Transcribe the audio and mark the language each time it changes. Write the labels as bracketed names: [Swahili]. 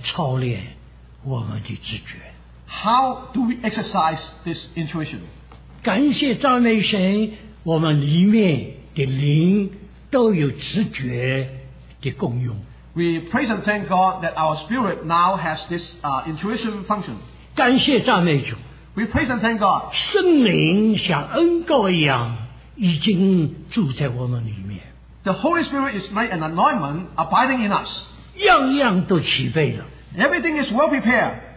[Chinese] 我们怎样来操练我们的直觉？ [English] How do we exercise this intuition? [Chinese] 感谢赞美神， 我们里面的灵都有直觉的功用。 [English] We praise and thank God that our spirit now has this intuition function. [Chinese] 感谢赞美主。 [English] We praise and thank God. [Chinese] 圣灵像恩膏一样， 已经住在我们里面。 [English] The Holy Spirit is like an anointment abiding in us. [Chinese] 样样都齐备了。 [English] Everything is well prepared.